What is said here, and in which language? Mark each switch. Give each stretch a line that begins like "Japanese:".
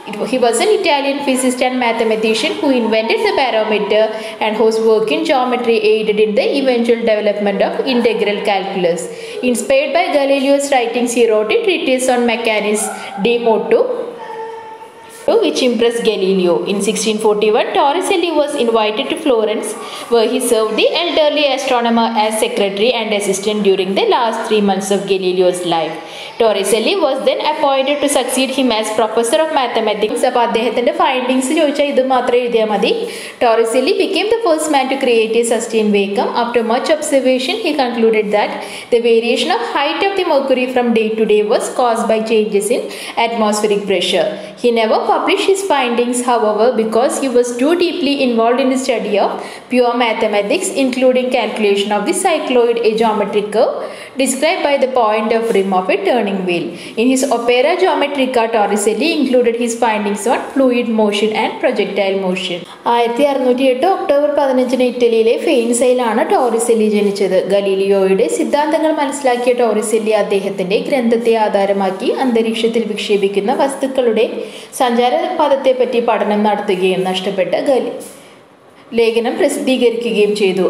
English: He was an Italian physicist and mathematician who invented the barometer and whose work in geometry aided in the eventual development of integral calculus. Inspired by Galileo's writings he wrote a treatise on mechanics de motu which impressed Galileo. In 1641, Torricelli was invited to Florence, where he served the elderly astronomer as secretary and assistant during the last 3 months of Galileo's life. Torricelli was then appointed to succeed him as professor of mathematics.
Malayalam: അപ്പോൾ അദ്ദേഹത്തിൻ്റെ findings ചോദിച്ചാൽ ഇത് മാത്രം എഴുതിയാൽ മതി.
English: Torricelli became the first man to create a sustain vacuum. After much observation he concluded that the variation of height of the mercury from day to day was caused by changes in atmospheric pressure. He never publish his findings however because he was too deeply involved in the study of pure mathematics including calculation of the cycloid a geometric curve describe by the point of rim of a turning wheel. In his Opera Geometrica, Torricelli included his findings on fluid motion and projectile motion.
Malayalam: 1608 October 15 ഇറ്റലിയിലെ ഫെയിൻസയിലാണ് Torricelli ജനിച്ചത്. ഗലീലിയോയുടെ സിദ്ധാന്തങ്ങൾ മനസ്സിലാക്കിയ Torricelli അദ്ദേഹത്തിൻ്റെ ഗ്രന്ഥത്തെ ആധാരമാക്കി അന്തരീക്ഷത്തിൽ വിക്ഷേപിക്കുന്ന വസ്തുക്കളുടെ സഞ്ചാരപഥത്തെപ്പറ്റി പഠനം നടത്തുകയും നഷ്ടപ്പെട്ട ലേഖനം പ്രസിദ്ധീകരിക്കുകയും ചെയ്തു.